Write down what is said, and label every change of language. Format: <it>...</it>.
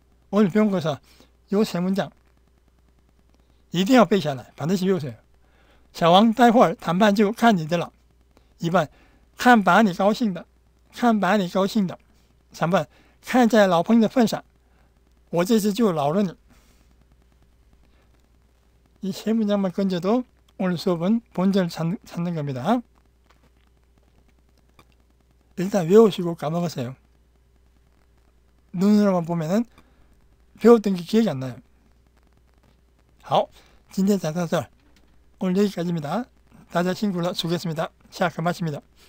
<ko>오늘 배운 거에서 요 세 문장</ko> <zh>一定要背下来</zh> <ko>반드시 배우세요.</ko> <zh>小王待会儿谈判就看你的了 2번 看把你高兴的 3번 看在老朋友的份上我这次就饶了你</zh> <ko>이 세 문장만 건져도 오늘 수업은 본전을 찾는 겁니다. 일단 외우시고 까먹으세요. 눈으로만 보면은 배웠던 게 기억이 안 나요.</ko> <zh>好, 今天讲到这儿,</zh> <ko>오늘 여기까지입니다.</ko> <zh>大家辛苦了,</zh> <ko>수고했습니다.</ko> <zh>下课</zh> <ko>마칩니다.</ko>